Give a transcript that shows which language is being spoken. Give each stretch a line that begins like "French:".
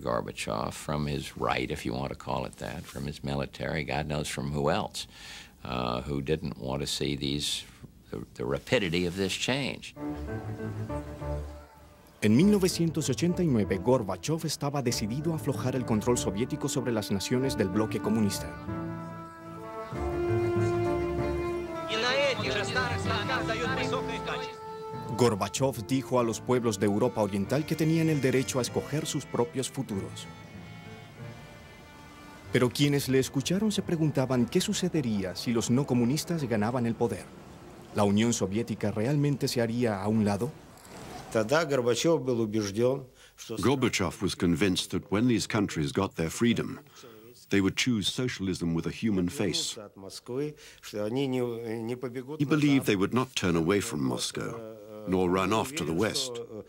English: Gorbachev from his right, if you want to call it that, from his military, God knows from who else. Who didn't want to see the rapidity of this change.
Spanish: En 1989, Gorbachev estaba decidido a aflojar el control soviético sobre las naciones del bloque comunista. Gorbachev dijo a los pueblos de Europa Oriental que tenían el derecho a escoger sus propios futuros. Pero quienes le escucharon se preguntaban qué sucedería si los no comunistas ganaban el poder. ¿La Unión Soviética realmente se haría a un lado?
English: Gorbachev was convinced that when these countries got their freedom, they would choose socialism with a human face. He believed they would not turn away from Moscow, nor run off to the West.